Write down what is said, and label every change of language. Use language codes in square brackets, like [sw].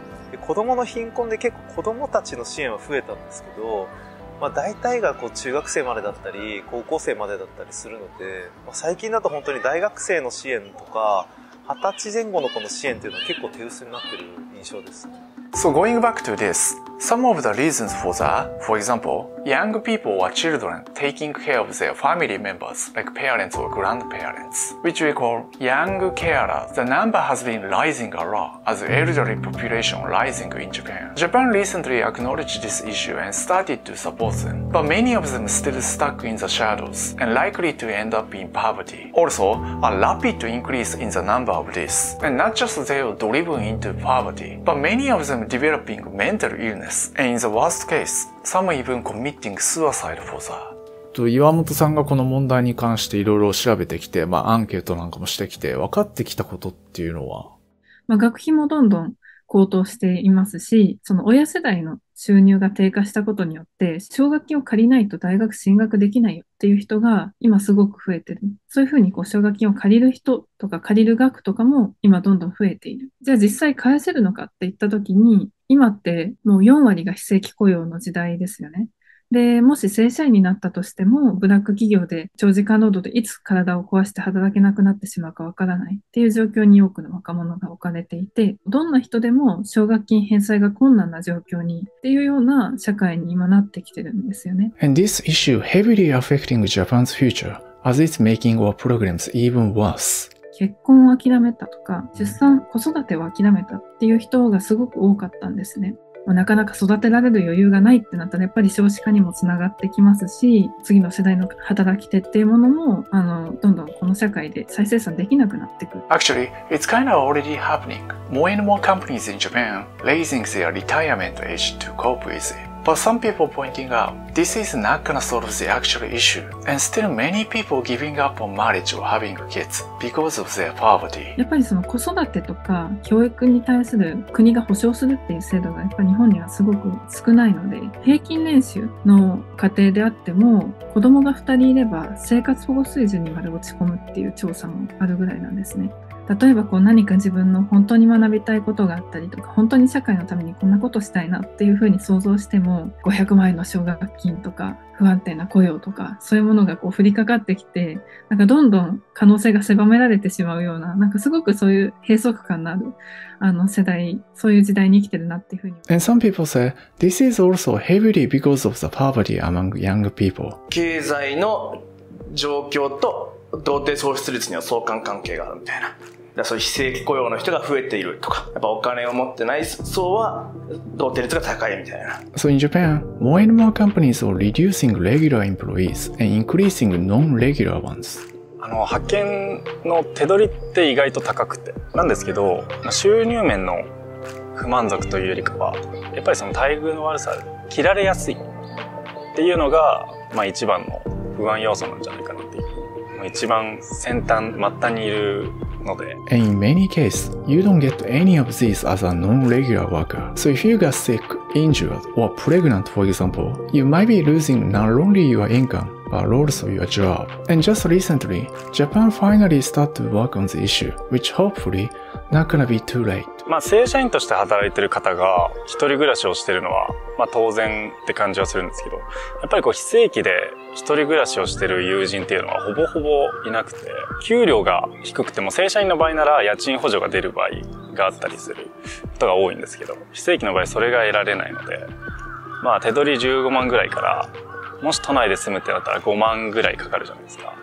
[ja] で、子どもの貧困で結構子どもたちの支援は増えたんですけど、まあ、大体がこう中学生までだったり高校生までだったりするので、まあ、最近だと本当に大学生の支援とか二十歳前後の子の支援というのは結構手薄になっている印象です。 [en] So going back to this, some of the reasons for that, for example, young people or children taking care of their family members like parents or grandparents, which we call young carer, the number has been rising a lot as elderly population rising in Japan. Japan recently acknowledged this issue and started to support them, but many of them still stuck in the shadows and likely to end up in poverty. Also, a rapid increase in the number of this, and not just they are driven into poverty, but many of them developing mental illness, and in the worst case, some even committing suicide for that. [ja] 岩本さんがこの問題に関していろいろ調べてきて、まあアンケートなんかもしてきて、分かってきたことっていうのは、まあ学費もどんどん高騰していますし、その親世代の収入が低下したことによって、奨学金を借りないと大学進学できないよっていう人が今すごく増えてる。そういうふうにこう奨学金を借りる人とか借りる額とかも今どんどん増えている。じゃあ実際返せるのかっていった時に、今ってもう4割が非正規雇用の時代ですよね。で、もし正社員になったとしても、ブラック企業で長時間労働でいつ体を壊して働けなくなってしまうかわからないっていう状況に多くの若者が置かれていて、どんな人でも奨学金返済が困難な状況にっていうような社会に今なってきてるんですよね。 [en] And this issue heavily affecting Japan's future as it's making our programs even worse. [ja] 結婚を諦めたとか、出産、子育てを諦めたっていう人がすごく多かったんですね。なかなか育てられる余裕がないってなったら、やっぱり少子化にもつながってきますし、次の世代の働き手っていうものも、どんどんこの社会で再生産できなくなってくる。 [en] Actually, it's kind of already happening. More and more companies in Japan raising their retirement age to cope with it. But some people pointing out, this is not gonna solve the actual issue. And still many people giving up on marriage or having kids because of their poverty. [ja] やっぱりその子育てとか教育に対する国が保障するっていう制度がやっぱ日本にはすごく少ないので、平均年収の家庭であっても、子供が2人いれば生活保護水準にまで落ち込むっていう調査もあるぐらいなんですね。例えばこう何か自分の本当に学びたいことがあったりとか、本当に社会のためにこんなことしたいなっていうふうに想像しても、500万円の奨学金とか不安定な雇用とかそういうものがこう降りかかってきて、なんかどんどん可能性が狭められてしまうような、なんかすごくそういう閉塞感のある世代、そういう時代に生きてるなっていうふうに。 [en] And some people say this is also heavily because of the poverty among young people. [ja] 経済の状況と童貞喪失率には相関関係があるみたいな。だそういう非正規雇用の人が増えているとか、やっぱお金を持ってない層は同定率が高いみたいな。 [en] So in Japan, more and more companies are reducing regular employees and increasing non-regular ones. [ja] 派遣の手取りって意外と高くて、なんですけど収入面の不満足というよりかはやっぱりその待遇の悪さ、切られやすいっていうのが、まあ、一番の不安要素なんじゃないかなっていう。一番先端、末端にいるので。 [en] And in many cases, you don't get any of these as a non-regular worker. So if you got sick, injured, or pregnant, for example, you might be losing not only your income, but also your job. And just recently, Japan finally started to work on the issue, which hopefully not gonna be too late. [ja] まあ、正社員として働いてる方が一人暮らしをしてるのは、まあ、当然って感じはするんですけど、やっぱりこう非正規で一人暮らしをしてる友人っていうのはほぼほぼいなくて、給料が低くても正社員の場合なら家賃補助が出る場合があったりすることが多いんですけど、非正規の場合それが得られないので、まあ手取り15万ぐらいから、もし都内で住むってなったら5万ぐらいかかるじゃないですか。